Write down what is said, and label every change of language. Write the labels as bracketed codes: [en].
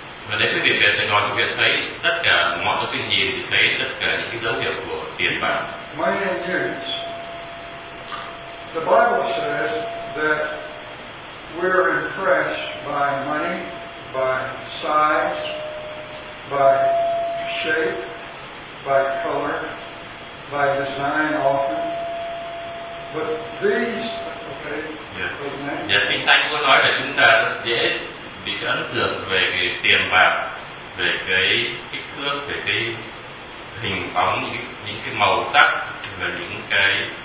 [vi] Và nếu quý vị về Sài Gòn, quý vị thấy tất cả mọi thứ tình nhìn thì thấy tất cả những cái dấu hiệu của tiền bạc. [en] Money and tears. The Bible says that we're impressed by money, by size, by shape, by color, by design often. But these, okay, yeah. [vi] Kinh Thánh có nói là chúng ta rất dễ bị ấn tượng về cái tiền bạc, về cái kích thước, về cái hình bóng, những cái màu sắc và những cái.